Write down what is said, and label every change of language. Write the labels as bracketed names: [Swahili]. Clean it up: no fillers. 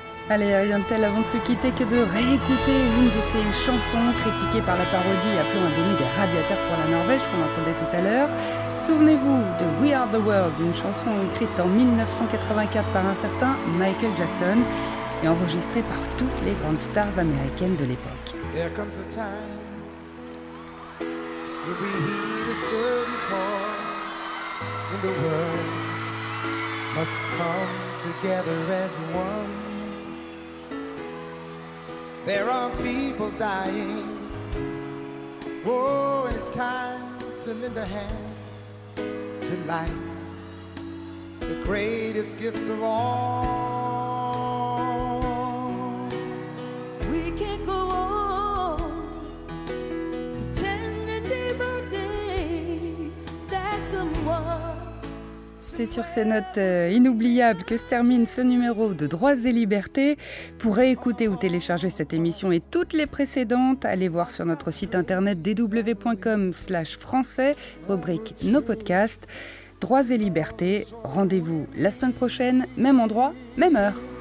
[French] Allez, rien de tel avant de se quitter que de réécouter une de ces chansons critiquées par la parodie appelant à devenir des radiateurs pour la Norvège qu'on entendait tout à l'heure. Souvenez-vous de We Are The World, une chanson écrite en 1984 par un certain Michael Jackson et enregistrée par toutes les grandes stars américaines de l'époque. [English] There comes a time when we hear a certain call, when the world must come together as one. There are people dying, oh, and it's time to lend a hand to life, the greatest gift of all. We can't go on pretending day by day that someone. [French] C'est sur ces notes inoubliables que se termine ce numéro de Droits et Libertés. Pour réécouter ou télécharger cette émission et toutes les précédentes, allez voir sur notre site internet dw.com/français, rubrique nos podcasts. Droits et Libertés, rendez-vous la semaine prochaine, même endroit, même heure.